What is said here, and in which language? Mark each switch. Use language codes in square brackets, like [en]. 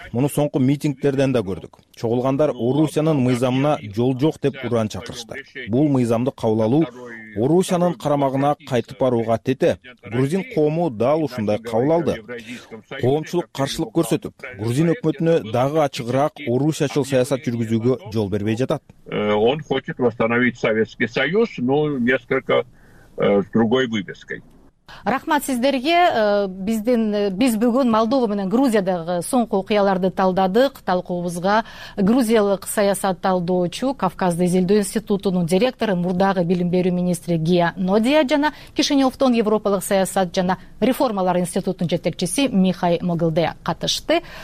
[ky] Муну соңку митингдерден да көрдүк. Чогулгандар Орусиянын мыйзамына жол жок деп уран чакырышты. Бул мыйзамды кабыл алуу Орусиянын карамагына кайтып барууга тете. Грузин коому дал ушундай кабыл алды. Коомчулук каршылык көрсөтүп, грузин өкмөтүнө дагы ачыгыраак Орусиячыл саясат жүргүзүүгө жол бербей жатат. [ru] Он хочет восстановить Советский Союз, но несколько с другой вывеской. [ky] Рахмат сиздерге. Биз бүгүн Молдова менен Грузиядагы соңку окуяларды талдадык. Талкуубузга грузиялык саясат талдоочу, Кавказды изилдөө институтунун директору, мурдагы билим берүү министри Гия Нодия жана Кишиневтон Европалык саясат жана реформалар институтунун жетекчиси Михай Могылде катышты.